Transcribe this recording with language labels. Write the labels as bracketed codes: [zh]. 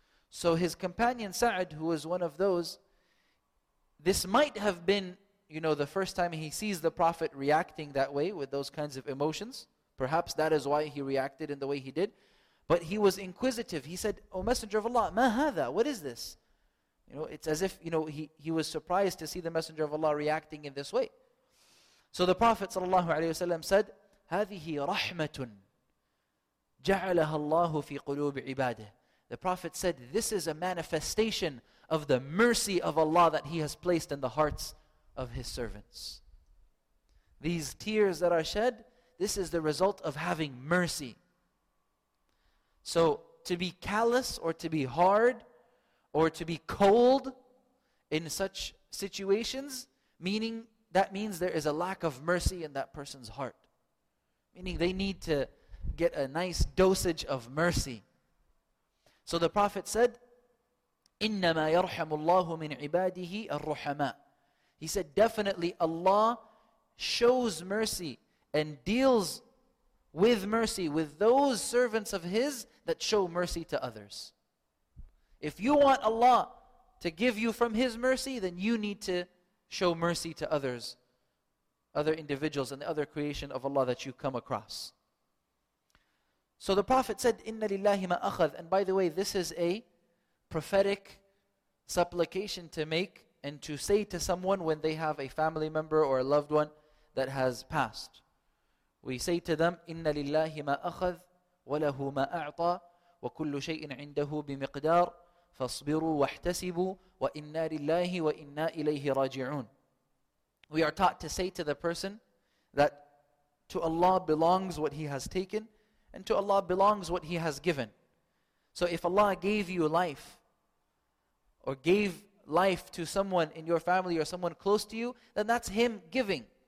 [en] So his companion Sa'd, who was one of those, this might have been, you know, the first time he sees the Prophet reacting that way with those kinds of emotions. Perhaps that is why he reacted in the way he did. But he was inquisitive. He said, "O Messenger of Allah, [ar] ma hadha? [en] What is this?" You know, it's as if, you know, he was surprised to see the Messenger of Allah reacting in this way. So the Prophet ﷺ said, [ar] "هذه رحمة جعلها الله في قلوب عباده." [en] The Prophet said, "This is a manifestation of the mercy of Allah that He has placed in the hearts of His servants. These tears that are shed, this is the result of having mercy." So to be callous or to be hard or to be cold in such situations, meaning that means there is a lack of mercy in that person's heart. Meaning they need to get a nice dosage of mercy. So the Prophet said, [ar] "إِنَّمَا يَرْحَمُ اللَّهُ مِنْ عِبَادِهِ الرُّحَمَاء." [en] He said, definitely Allah shows mercy and deals with mercy with those servants of His that show mercy to others. If you want Allah to give you from His mercy, then you need to show mercy to others, other individuals and the other creation of Allah that you come across. So the Prophet said, [ar] "إِنَّ لِلَّهِ مَا أَخَذْ." [en] And by the way, this is a prophetic supplication to make and to say to someone when they have a family member or a loved one that has passed. We say to them, [ar] "إِنَّ لِلَّهِ مَا أَخَذْ وَلَهُ مَا أَعْطَى وَكُلُّ شَيْءٍ عِنْدَهُ بِمِقْدَارِ فَاصْبِرُوا وَاحْتَسِبُوا وَإِنَّا لِلَّهِ وَإِنَّا إِلَيْهِ رَاجِعُونَ." [en] We are taught to say to the person that to Allah belongs what He has taken, and to Allah belongs what He has given. So if Allah gave you life, or gave life to someone in your family or someone close to you, then that's Him giving.